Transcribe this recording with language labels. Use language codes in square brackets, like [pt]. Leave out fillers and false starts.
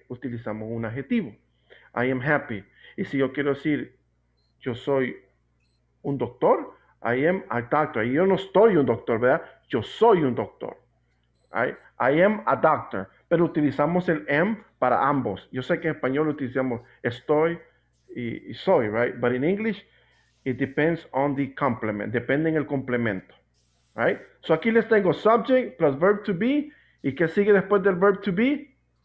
[es] Utilizamos un adjetivo. [en] I am happy. [es] Y si yo quiero decir yo soy un doctor, [en] I am a doctor. [es] Y yo no estoy un doctor, ¿verdad? Yo soy un doctor. Right? [en] I am a doctor. [es] Pero utilizamos el am para ambos. Yo sé que en español utilizamos estoy y soy, right? [en] But in English, it depends on the complement. [es] Depende en el complemento. Right? So aquí les tengo subject plus verb to be. ¿Y qué sigue después del verb to be?